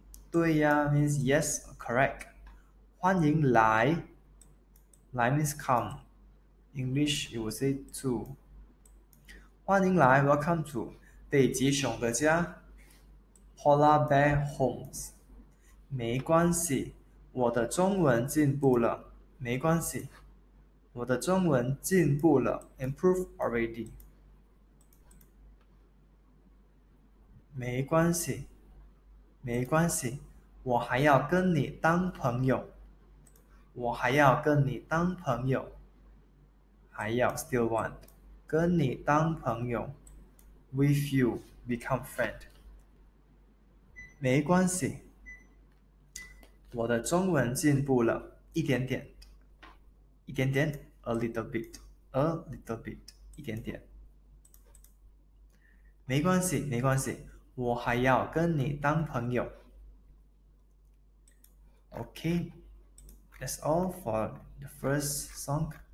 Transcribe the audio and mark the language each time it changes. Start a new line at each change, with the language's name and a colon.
Chinese: 对呀，
English: means yes, correct.
Chinese: 欢迎来，来
English: means come. English, you will say to.
Chinese: 欢迎来，
English: welcome to
Chinese: 北极熊的家，
English: Polar Bear Homes.
Chinese: 没关系，我的中文进步了。没关系，我的中文进步了，
English: improve already.
Chinese: 没关系，没关系。我还要跟你当朋友，我还要跟你当朋友，还要
English: still want
Chinese: 跟你当朋友，
English: with you become friend，
Chinese: 没关系，我的中文进步了一点点，一点点，
English: a little bit，a little bit，
Chinese: 一点点，没关系，没关系，我还要跟你当朋友。
English: Okay, that's all for the first song.